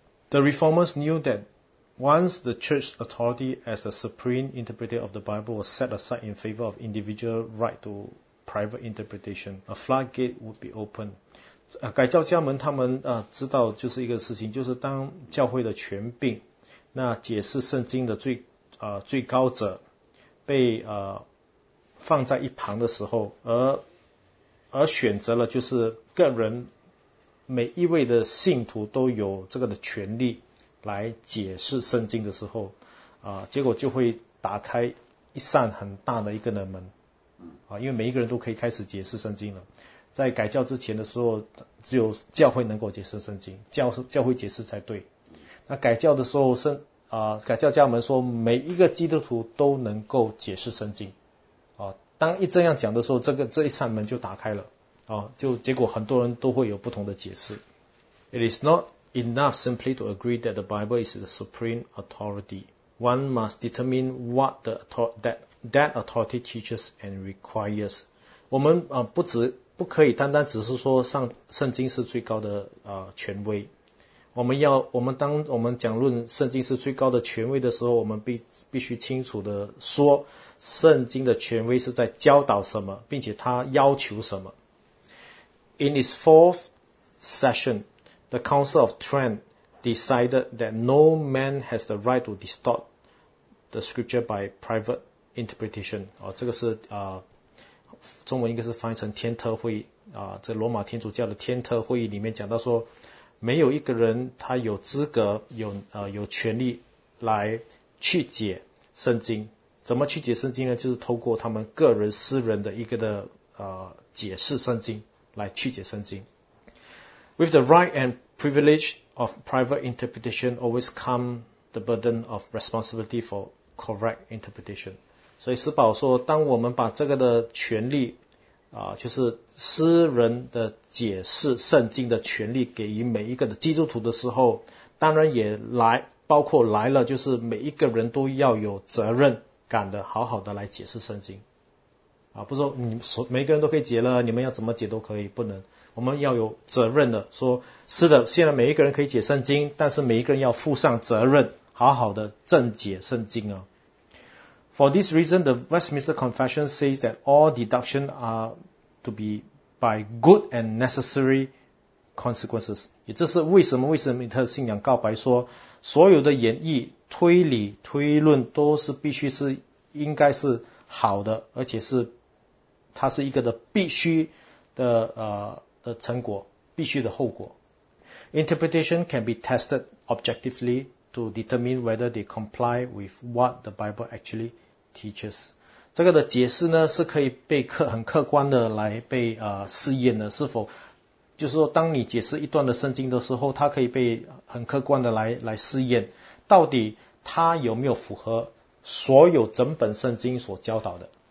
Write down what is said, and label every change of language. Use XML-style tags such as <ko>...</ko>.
<en>The reformers knew that once the church authority as the supreme interpreter of the Bible was set aside in favor of individual right to private interpretation, a floodgate would be open.</en> <zh>改教家们他们知道就是一个事情，就是当教会的权柄，那解释圣经的最高者。被放在一旁的时候，而选择了就是个人每一位的信徒都有这个的权利来解释圣经的时候，结果就会打开一扇很大的一个的门，因为每一个人都可以开始解释圣经了。在改教之前的时候，只有教会能够解释圣经，教会解释才对。那改教的时候是。改教家们说每一个基督徒都能够解释圣经。当一这样讲的时候，这一扇门就打开了。就结果很多人都会有不同的解释。</zh> <en>It is not enough simply to agree that the Bible is the supreme authority. One must determine what the that authority teaches and requires.</en> <zh>我们不可以单单只是说圣经是最高的权威。我们要我们当我们讲论圣经是最高的权威的时候，我们必须清楚的说圣经的权威是在教导什么，并且它要求什么。</zh> <en>In its fourth session, the Council of Trent decided that no man has the right to distort the scripture by private interpretation.</en> <zh>这个是中文应该是翻译成天特会这罗马天主教的天特会议里面讲到说，没有一个人他有资格有权利来曲解圣经。怎么曲解圣经呢？就是透过他们个人私人的一个的解释圣经来曲解圣经。</zh> <en>With the right and privilege of private interpretation always come the burden of responsibility for correct interpretation.</en> <zh>所以施宝说，当我们把这个的权利就是私人的解释圣经的权利给予每一个的基督徒的时候，当然也包括来了，就是每一个人都要有责任感的好好的来解释圣经。不是说每一个人都可以解了，你们要怎么解都可以，不能。我们要有责任的说，是的，现在每一个人可以解圣经，但是每一个人要负上责任，好好的正解圣经啊。</zh> <en>For this reason, the Westminster Confession says that all deductions are to be by good and necessary consequences.</en> <zh>也就是为什么米特信仰告白说，所有的演绎、推理、推论都是必须是应该是好的，而且是它是一个的必须的的成果，必须的后果。</zh> <en>Interpretation can be tested objectively to determine whether they comply with what the Bible actually says. Teachers.</en> <zh>这个的解释呢是可以被很客观的来被试验的，是否就是说当你解释一段的圣经的时候，它可以被很客观的来试验到底它有没有符合所有整本圣经所教导的。</zh>